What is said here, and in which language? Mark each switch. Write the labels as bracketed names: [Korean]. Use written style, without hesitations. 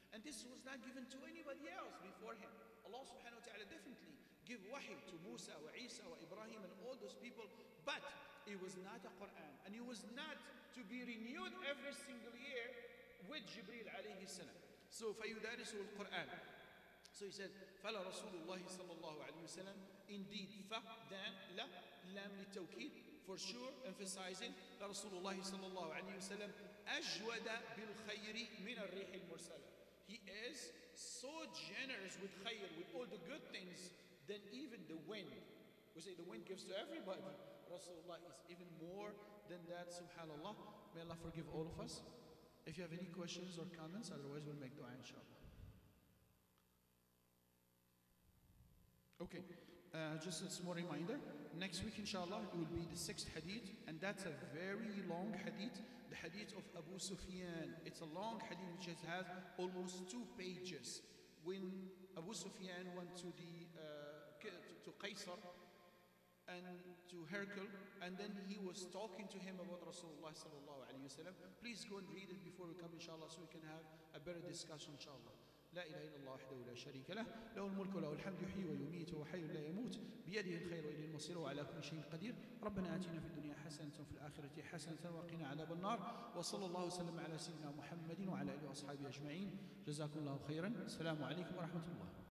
[English] And this was not given to anybody else before him. Allah subhanahu wa ta'ala definitely gave wahi to Musa wa Isa wa Ibrahim and all those people, but it was not a Quran. And it was not to be renewed every single year with Jibreel alayhi salam. So, [Arabic] فَيُدَارِسُهُ الْقُرْآنِ. [English] So he said, [Arabic] فَلَا رَسُولُ اللَّهِ صَلَى اللَّهُ عَلَيْهِ وَسَلَمْ [English] Indeed, fa dan la lam litawkid, for sure, emphasizing that Rasulullah صلى الله عليه وسلم [Arabic] أجود بالخير من الريح المرسلة. [English] He is so generous with khayr, with all the good things, than even the wind. We say the wind gives to everybody. Rasulullah is even more than that, subhanAllah. May Allah forgive all of us. If you have any questions or comments, otherwise we'll make dua, inshallah. Okay, just a small reminder. Next week, inshallah, it will be the sixth hadith, and that's a very long hadith, the hadith of Abu Sufyan. It's a long hadith which has almost two pages. When Abu Sufyan went to the to Qaisar and to Hercule, and then he was talking to him about Rasulullah sallallahu alayhi wasallam. Please go and read it before we come, inshallah, so we can have a better discussion, inshallah. [Arabic] لا إله إلا الله وحده لا شريك له له الملك وله الحمد يحيي ويميت وهو حي لا يموت بيده الخير وإليه المصير وعلى كل شيء قدير ربنا آتنا في الدنيا حسنة وفي الآخرة حسنة وقنا عذاب النار وصلى الله وسلم على سيدنا محمد وعلى آله وأصحابه أجمعين جزاكم الله خيرا السلام عليكم ورحمة الله.